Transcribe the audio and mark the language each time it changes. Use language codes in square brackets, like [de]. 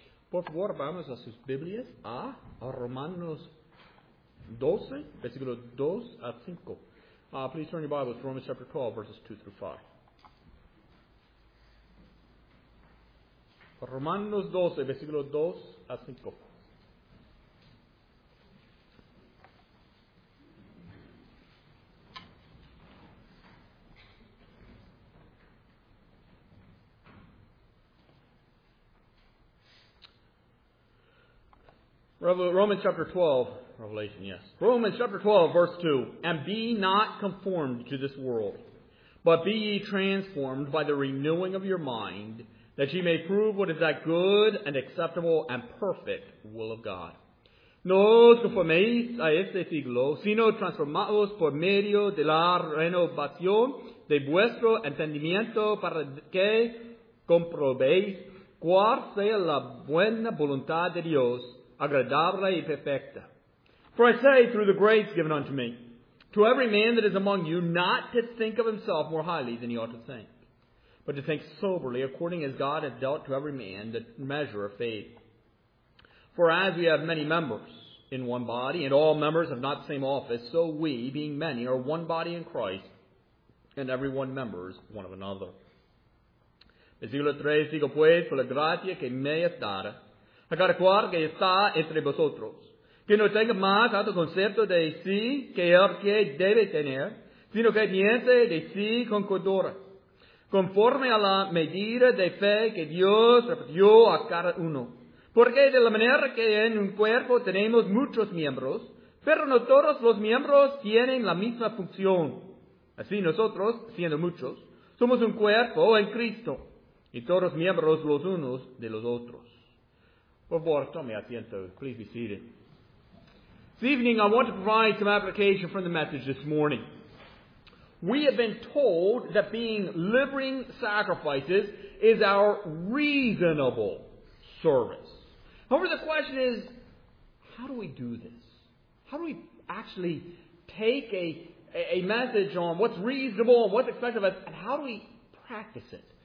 [es] Por favor, vamos a sus Biblias a Romanos 12, versículo 2 a 5. [en] Please turn your Bibles to Romans chapter 12, verses 2 through 5. [es] Romanos 12, versículo 2 a 5. [en] Romans chapter 12, Revelation, yes. Romans chapter 12, verse 2. And be not conformed to this world, but be ye transformed by the renewing of your mind, that ye may prove what is that good and acceptable and perfect will of God. [es] No os conforméis a este siglo, sino transformaos por medio de la renovación de vuestro entendimiento para que comprobéis cuál sea la buena voluntad de Dios, agradable y perfecta. [en] For I say, through the grace given unto me, to every man that is among you, not to think of himself more highly than he ought to think, but to think soberly, according as God hath dealt to every man the measure of faith. For as we have many members in one body, and all members have not the same office, so we, being many, are one body in Christ, and every one members one of another. [es] Versículo 3, digo pues, por la gracia que me es dada, a cada cual que está entre vosotros, que no tenga más alto concepto de sí que el que debe tener, sino que piense de sí con cordura, conforme a la medida de fe que Dios repartió a cada uno. Porque de la manera que en un cuerpo tenemos muchos miembros, pero no todos los miembros tienen la misma función. Así nosotros, siendo muchos, somos un cuerpo en Cristo, y todos miembros los unos de los otros. Por favor, tome asiento. [en] Please be seated. This evening, I want to provide some application from the message this morning. We have been told that being living sacrifices is our reasonable service. However, the question is, how do we do this? How do we actually take a message on what's reasonable and what's expected of us, and how do we practice it?